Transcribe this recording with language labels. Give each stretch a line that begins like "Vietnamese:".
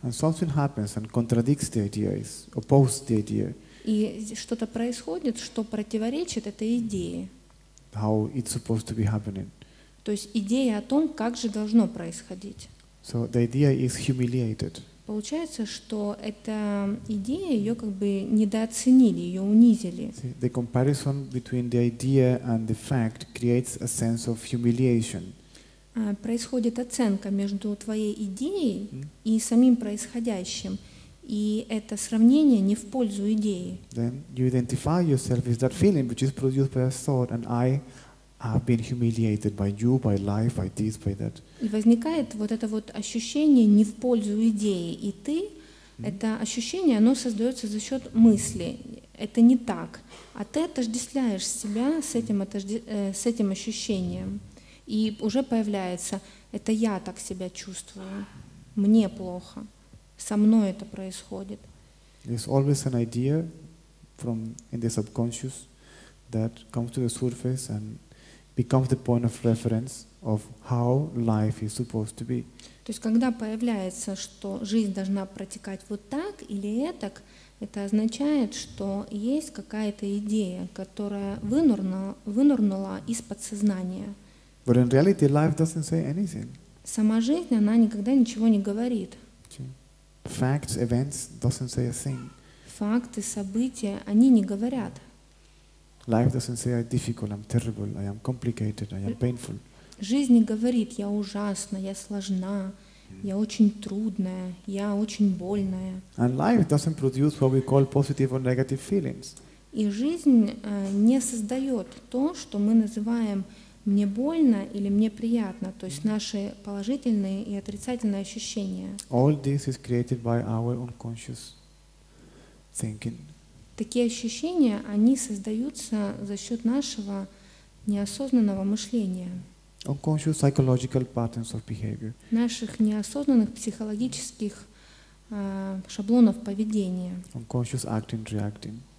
English: And something happens and contradicts the idea, is opposed the idea.
Russian: И что-то происходит, что противоречит этой идее.
English: How it's supposed to be happening.
Russian: То есть идея о том, как же должно происходить.
English: So the idea is humiliated.
Russian: Получается, что эта идея, ее как бы недооценили, ее унизили.
English: See, the comparison between the idea and the fact creates a sense of humiliation.
Russian: Происходит оценка между твоей идеей и самим происходящим. И это сравнение не в пользу идеи.
English: Then you identify yourself with that feeling which is produced by a thought, and I have been humiliated by you, by life, by this, by that.
Russian: И возникает вот это вот ощущение не в пользу идеи, и ты, это ощущение, оно создается за счет мысли. Это не так. А ты отождествляешь себя с этим ощущением. И уже появляется, это я так себя чувствую. Мне плохо. Со мной это происходит.
English: There's always an idea from in the subconscious that comes to the surface and becomes the point of reference of how life is supposed to be.
Russian: То есть, когда появляется, что жизнь должна протекать вот так или этак, это означает, что есть какая-то идея, которая вынырнула из подсознания.
English: But in reality, life doesn't say anything.
Russian: Сама жизнь, она никогда ничего не говорит.
English: Facts, events doesn't say a thing.
Russian: Факты, события, они не говорят.
English: Life doesn't say I'm difficult, I'm terrible, I am complicated, I am painful.
Russian: Жизнь говорит: я ужасна, я сложна, я очень трудная, я очень больная.
English: And life doesn't produce what we call positive or negative feelings.
Russian: И жизнь не создает то, что мы называем мне больно или мне приятно, то есть наши положительные и отрицательные ощущения.
English: All this is created by our unconscious thinking.
Russian: Такие ощущения, они создаются за счет нашего неосознанного мышления.
English: Unconscious psychological patterns of behavior.
Russian: Наших неосознанных психологических шаблонов поведения.
English: Unconscious acting, reacting.